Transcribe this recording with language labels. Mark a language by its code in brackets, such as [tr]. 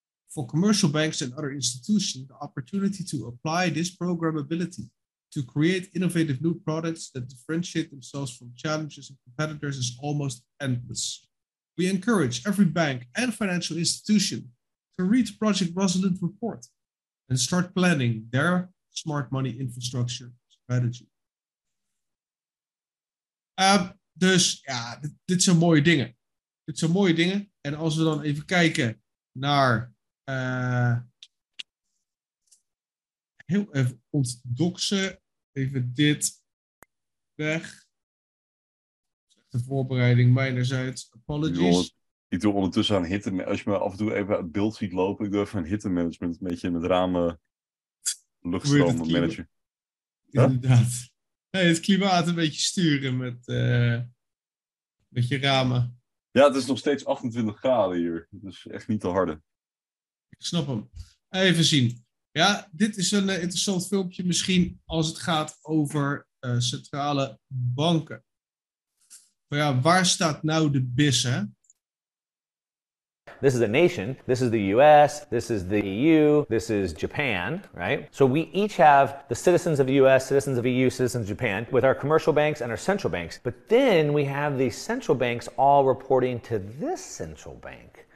[en] For commercial banks and other institutions, the opportunity to apply this programmability to create innovative new products that differentiate themselves from challengers and competitors is almost endless. We encourage every bank and financial institution to read Project Rosalind report and start planning their smart money infrastructure strategy. [nl] Dus dit zijn mooie dingen. Dit zijn mooie dingen. En als we dan even kijken naar... heel even ontdoksen. Even dit weg. De voorbereiding mijnerzijds. [en] Apologies. [nl] Ik doe ondertussen aan hitte. Als je me af en toe even het beeld ziet lopen, ik doe even een hitte management. Een beetje met ramen. Luchtstroom manager. Huh? Inderdaad. Hey, het klimaat een beetje sturen met je ramen. Ja, het is nog steeds 28 graden hier. Het is echt niet te harde. Ik snap hem. Even zien. Ja, dit is een interessant filmpje misschien als het gaat over centrale banken. Maar ja, waar staat nou de bis, hè? [en] This is a nation, this is the US, this is the EU, this is Japan, right? So we each have the citizens of the US, citizens of the EU, citizens of Japan, with our commercial banks and our central banks. But then we have the central banks all reporting to this central bank.